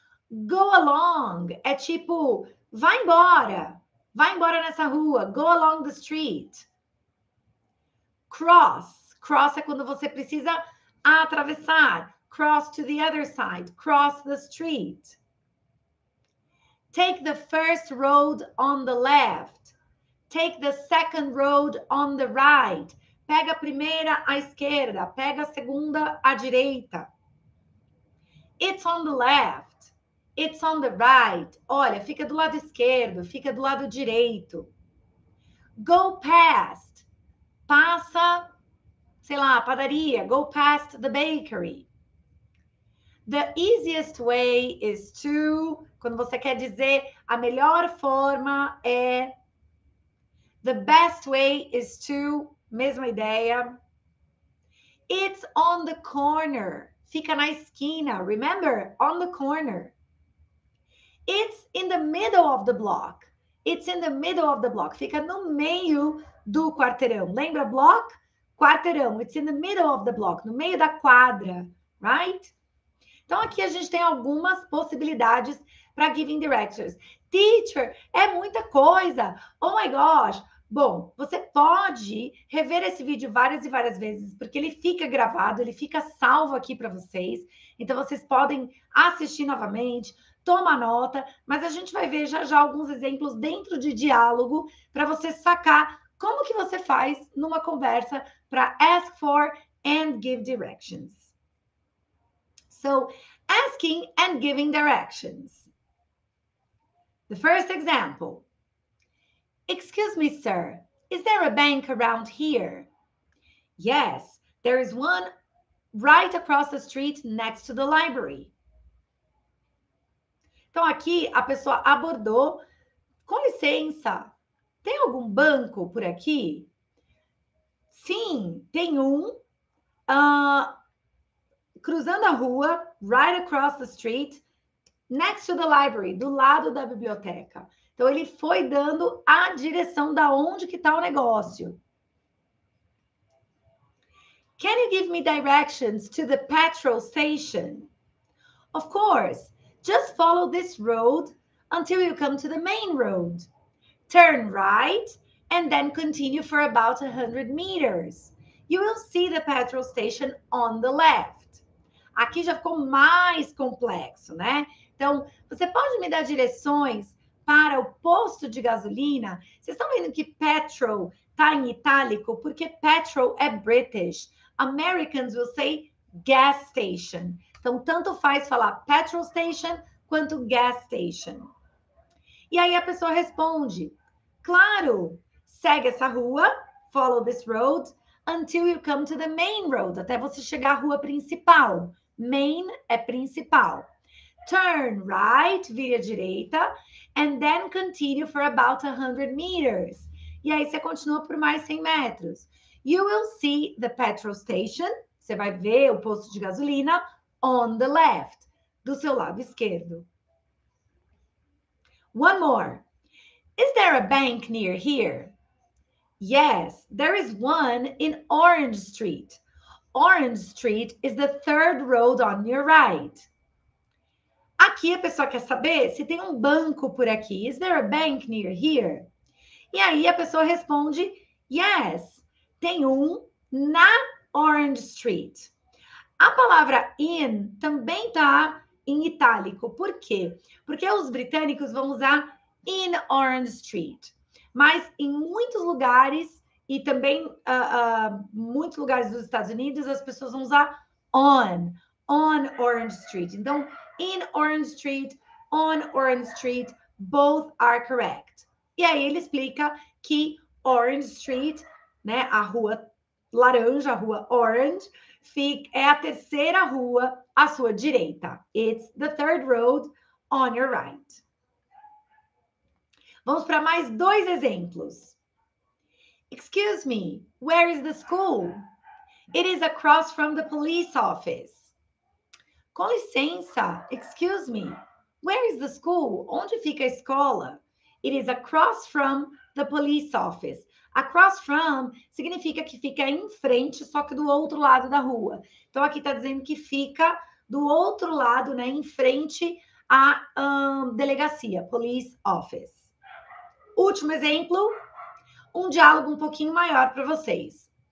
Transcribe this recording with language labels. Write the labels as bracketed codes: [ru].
[en] Go along, [pt] é tipo, vai embora nessa rua, [en] go along the street. Cross, cross [pt] é quando você precisa atravessar, [en] cross to the other side, cross the street. Take the first road on the left. Take the second road on the right. [pt] Pega a primeira à esquerda. Pega a segunda à direita. [en] It's on the left. It's on the right. [pt] Olha, fica do lado esquerdo. Fica do lado direito. [en] Go past. [pt] Passa, sei lá, a padaria. [en] Go past the bakery. The easiest way is to... [pt] Quando você quer dizer a melhor forma é... [en] The best way is to, [pt] mesma ideia. [en] It's on the corner. [pt] Fica na esquina. [en] Remember, on the corner. It's in the middle of the block. It's in the middle of the block. [pt] Fica no meio do quarteirão. Lembra block? Quarteirão. [en] It's in the middle of the block. [pt] No meio da quadra. Right? Então, aqui a gente tem algumas possibilidades para [en] giving directions. [pt] Teacher, é muita coisa. [en] Oh, my gosh. [pt] Bom, você pode rever esse vídeo várias e várias vezes, porque ele fica gravado, ele fica salvo aqui para vocês. Então, vocês podem assistir novamente, tomar nota, mas a gente vai ver já já alguns exemplos dentro de diálogo para você sacar como que você faz numa conversa para [en] ask for and give directions. So, asking and giving directions. The first example. Excuse me, sir, is there a bank around here? Yes, there is one right across the street next to the library. [pt] Então, aqui, a pessoa abordou. Com licença, tem algum banco por aqui? Sim, tem um. Cruzando a rua, [en] right across the street, next to the library, [pt] do lado da biblioteca. Então, ele foi dando a direção da onde que está o negócio. [en] Can you give me directions to the petrol station? Of course. Just follow this road until you come to the main road. Turn right and then continue for about 100 meters. You will see the petrol station on the left. [pt] Aqui já ficou mais complexo, né? Então, você pode me dar direções para o posto de gasolina? Vocês estão vendo que petrol está em itálico porque petrol é British. [en] Americans will say gas station. [pt] Então, tanto faz falar petrol station quanto gas station. E aí a pessoa responde, claro, segue essa rua, [en] follow this road, until you come to the main road, [pt] até você chegar à rua principal. Main é principal. [en] Turn right, [pt] vire à direita, [en] and then continue for about 100 meters. [pt] E aí você continua por mais 100 metros. [en] You will see the petrol station, [pt] você vai ver o posto de gasolina, [en] on the left, [pt] do seu lado esquerdo. [en] One more. Is there a bank near here? Yes, there is one in Orange Street. Orange Street is the third road on your right. [pt] Aqui a pessoa quer saber se tem um banco por aqui. [en] Is there a bank near here? [pt] E aí a pessoa responde, yes, tem um na Orange Street. A palavra in também está em itálico. Por quê? Porque os britânicos vão usar in Orange Street. Mas em muitos lugares, e também muitos lugares dos Estados Unidos, as pessoas vão usar on Orange Street. [en] Então, in Orange Street, on Orange Street, both are correct. [pt] E aí ele explica que Orange Street, né, a rua laranja, a rua Orange, é a terceira rua à sua direita. [en] It's the third road on your right. [pt] Vamos para mais dois exemplos. [en] Excuse me, where is the school? It is across from the police office. [pt] Com licença, [en] excuse me, where is the school? [pt] Onde fica a escola? [en] It is across from the police office. [pt] Across from significa que fica em frente, só que do outro lado da rua. Então, aqui está dizendo que fica do outro lado, né, em frente à delegacia, police office. Último exemplo, um diálogo um pouquinho maior para vocês.